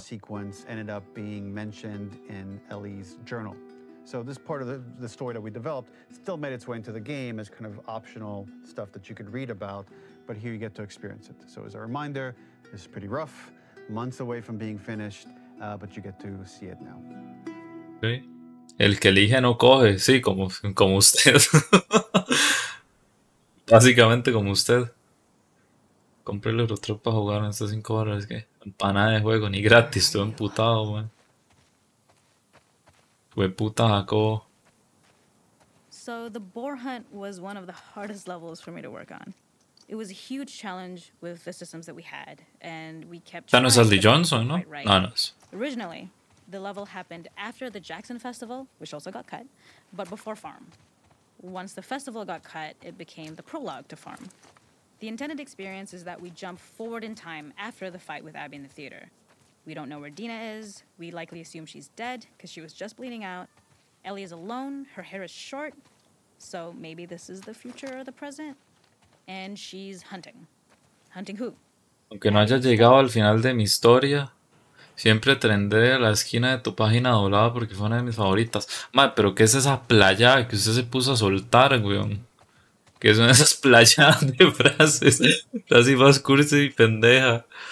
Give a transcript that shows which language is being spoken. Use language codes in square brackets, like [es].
[en] sequence ended up being mentioned in Ellie's journal. So this part of the story that we developed still made its way into the game as kind of optional stuff that you could read about, but here you get to experience it. So as a reminder, this is pretty rough, months away from being finished, but you get to see it now. [es] Sí. El que elige no coge, sí, como usted. Básicamente como usted. Cómprele el otro para jugar en estas 5 horas, que empanada de juego, ni gratis, estoy emputado, man. Fue puta Jacobo. [en] So the boar hunt was one of the hardest levels for me to work on. It was a huge challenge with the systems that we had, and we kept trying. Thanos Aldi Johnson, ¿no? Right. Thanos. Originally, the level happened after the Jackson Festival, which also got cut, but before Farm. Once the festival got cut, it became the prologue to Farm. The intended experience is that we jump forward in time after the fight with Abby in the theater. We don't know where Dina is. We likely assume she's dead because she was just bleeding out. Ellie is alone. Her hair is short. So maybe this is the future or the present. And she's hunting. Hunting who? [es] Aunque no haya llegado al final de mi historia, siempre tendré la esquina de tu página doblada porque fue una de mis favoritas. Madre, ¿pero qué es esa playa que usted se puso a soltar, weón? Que son esas playas de frases. Frases más cursi y pendeja.